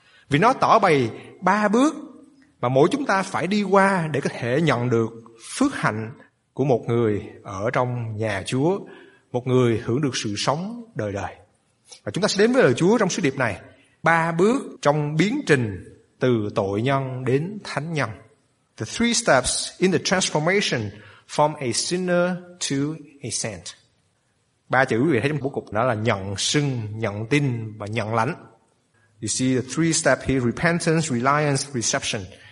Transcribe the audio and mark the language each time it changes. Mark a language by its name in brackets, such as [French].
[Vietnamese] Vì nó tỏ bày ba bước mà mỗi chúng ta phải đi qua để có thể nhận được phước hạnh của một người ở trong nhà Chúa, một người hưởng được sự sống đời đời. Và chúng ta sẽ đến với lời Chúa trong sứ điệp này, ba bước trong biến trình từ tội nhân đến thánh nhân. [English] The three steps in the transformation from a sinner to a saint. [Vietnamese] Ba chữ quý vị thấy trong bố cục đó là nhận, xưng, nhận tin và nhận lãnh. [English] You see the three steps here, repentance, reliance, reception.